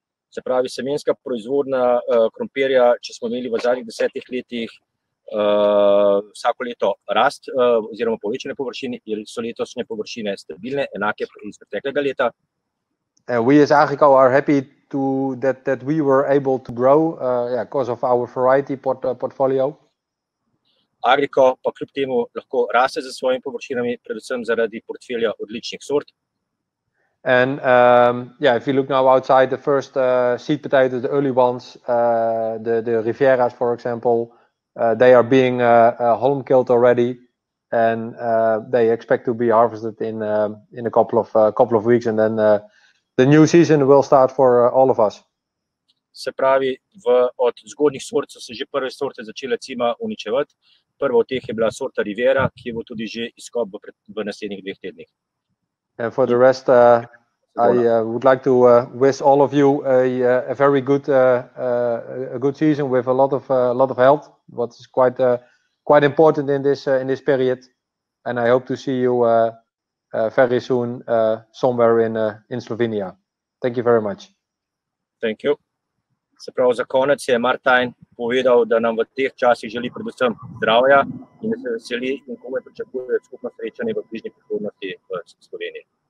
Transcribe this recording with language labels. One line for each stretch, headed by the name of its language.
Slovenian: Se pravi, semenska proizvodna krompirja, če smo imeli v zadnjih 10 letih vsako leto rast oziroma povečane površine, ali so letosne površine stabilne, enake iz preteklega leta.
English: We as Agrico are happy that we were able to grow because of our variety portfolio.
Slovenian: Agrico pa kljub temu lahko raste za svojimi površinami, predvsem zaradi portfelja odličnih sort.
English: And if you look now outside, the first seed potatoes, the early ones, the Rivieras, for example, they are being home-killed already, and they expect to be harvested in a couple of weeks, and then the new season will start for all of us.
Slovenian: Se pravi, od zgodnjih sort so se že prve sorte začele cima uničevati. Prva od teh je bila sorta Riviera, ki bo tudi že izkop v naslednjih dveh tednih.
English: And for the rest, I would like to wish all of you a very good a good season with a lot of health, what is quite important in this period. And I hope to see you very soon somewhere in Slovenia. Thank you very much. Thank you.
Slovenian: Se pravi, za konec je Martin povedal, da nam v teh časih želi predvsem zdravja in da se veseli in komu pričakuje skupno srečanje v bližnji prihodnosti v Sloveniji.